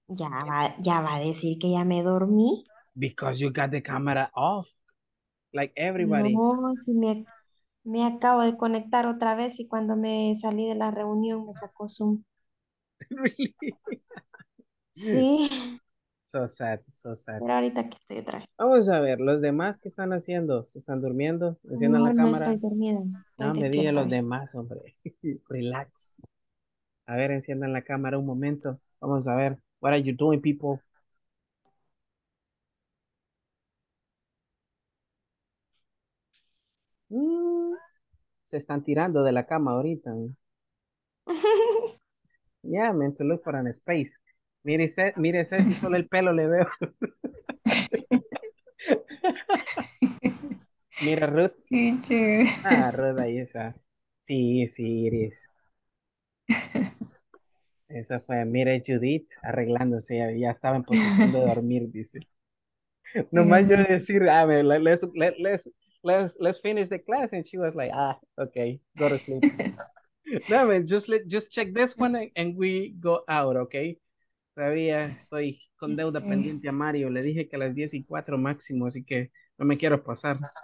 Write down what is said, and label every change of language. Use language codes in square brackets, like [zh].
[es] Ya va a decir que ya me dormí. [en] Because you got the camera off, like everybody. [es] No, si me acabo de conectar otra vez y cuando me salí de la reunión me sacó Zoom. [en] Really? [es] Sí. [en] So sad. [es] Pero ahorita que estoy atrás. Vamos a ver, los demás, ¿qué están haciendo? ¿Se están durmiendo? ¿Haciendo no, la no cámara? Estoy dormida. No, me diga los demás, hombre. Relax. A ver, enciendan la cámara un momento. Vamos a ver. [en] What are you doing, people? [es] Se están tirando de la cama ahorita. [en] Yeah, I meant to look for an space. [es] Mírese si solo el pelo le veo. Mira, Ruth. [en] Teacher. [es] Ah, Ruth, ahí está. Sí, Iris. Eso fue, mire Judith arreglándose, ya estaba en posición de dormir, dice. Nomás yo decir, a ver, [en] let's finish the class, and she was like, okay, go to sleep. No, man, just check this one and we go out, okay? [es] Todavía estoy con deuda pendiente a Mario, le dije que a las 10:04 máximo, así que no me quiero pasar.